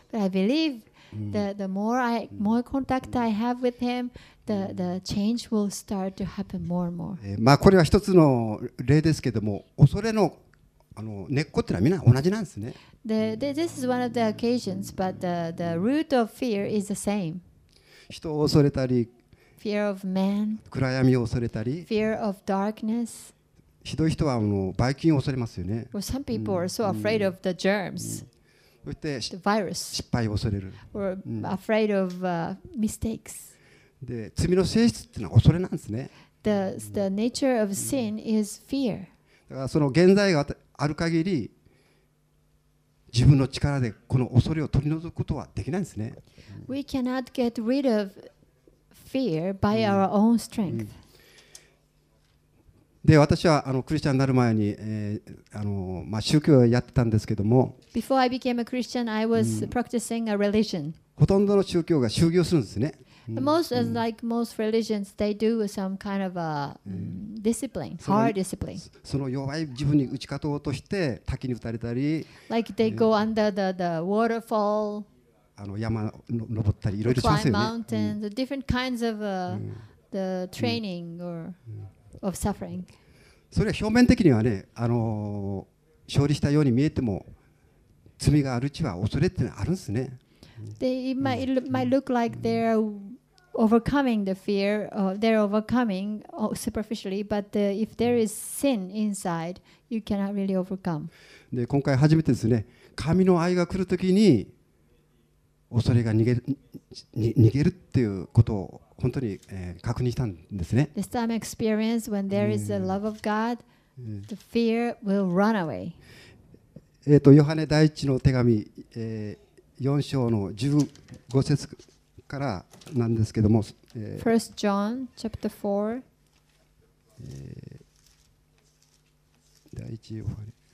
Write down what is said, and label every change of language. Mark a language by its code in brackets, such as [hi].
[en] But I believe the more contact I have with him, the change will start to happen more and more. [ja] まあこれは一つの例ですけども、恐れの根っこってのはみんな同じなんですね。 [en] This is one of the occasions, but the root of fear is the same. [ja] 人を恐れたり、 [en] fear of man, [ja] 暗闇を恐れたり [en] fear of darkness、 [ja] ひどい人はあのバイ菌を恐れますよね。 [en] Well, some people are so afraid of the germs, the virus, [ja] 失敗を恐れる。 [en] Or afraid of mistakes. [ja] で、罪の性質っていうのは恐れなんですね。 [en] The nature of sin is fear. [ja] だからその現在がある限り、自分の力でこの恐れを取り除くことはできないんですね。 [en] We cannot get rid of fear by our own strength. [ja] で私はあのクリスチャンになる前に、まあ、宗教をやってたんですけども、 [en] Before I became a Christian, I was practicing a religion. [ja] ほとんどの宗教が修行するんですね。 [en] Most, like most religions, they do some kind of a discipline, hard discipline. [ja] その弱い自分に打ち勝とうとして滝に打たれたり、 [en] Like they go under the waterfall. [ja] あの山の登ったりいろいろしますよね。 [en] Climb mountains, different kinds of the training or. Of suffering. [ja] それは表面的にはね、勝利したように見えても罪があるうちは恐れってのはあるんですね。 [en] It might look like they're overcoming the fear, they're overcoming superficially, but if there is sin inside, you cannot really overcome. [ja] で今回初めてですね、神の愛が来るときに恐れが逃げるっていうことを本当に、確認したんですね。 [en] This time experience when there is the love of God, the fear will run away. [ja] ヨハネ第一の手紙、4章の15節からなんですけども、 [en] First John chapter 4. [ja] 第一ヨハネ。